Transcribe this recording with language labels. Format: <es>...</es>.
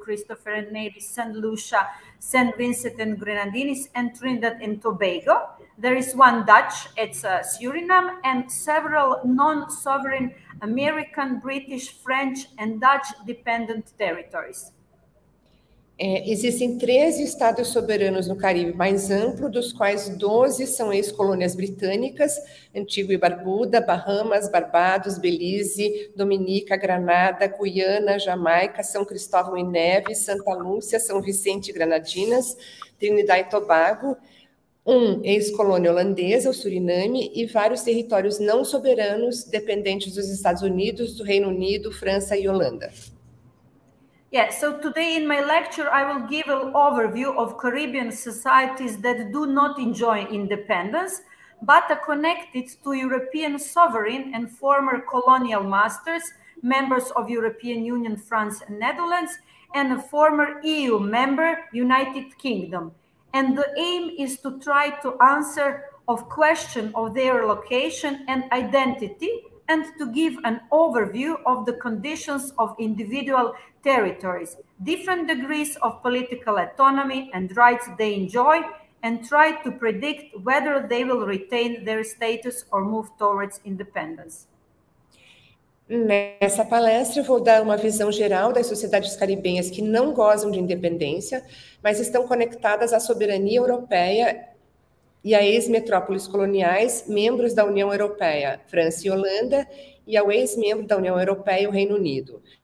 <en>Christopher and Nevis, St. Lucia, St. Vincent and Grenadines, and Trinidad and Tobago. There is one Dutch, it's Suriname, and several non-sovereign American, British, French, and Dutch dependent territories.</en> <pt>Existem 13 estados soberanos no Caribe mais amplo, dos quais 12 são ex-colônias britânicas: Antigua e Barbuda, Bahamas, Barbados, Belize, Dominica, Granada, Guiana, Jamaica, São Cristóvão e Neves, Santa Lúcia, São Vicente e Granadinas, Trinidad e Tobago, um ex-colônia holandesa, o Suriname, e vários territórios não soberanos dependentes dos Estados Unidos, do Reino Unido, França e Holanda.</pt> <en>Yeah, so today in my lecture I will give an overview of Caribbean societies that do not enjoy independence, but are connected to European sovereign and former colonial masters, members of European Union, France and Netherlands, and a former EU member, United Kingdom. And the aim is to try to answer a question of their location and identity, and to give an overview of the conditions of individual territories, different degrees of political autonomy and rights they enjoy, and try to predict whether they will retain their status or move towards independence.</en> <pt>Nessa palestra, eu vou dar uma visão geral das sociedades caribenhas que não gozam de independência, mas estão conectadas à soberania europeia e a ex-metrópoles coloniais, membros da União Europeia, França e Holanda, e ao ex-membro da União Europeia, o Reino Unido.</pt>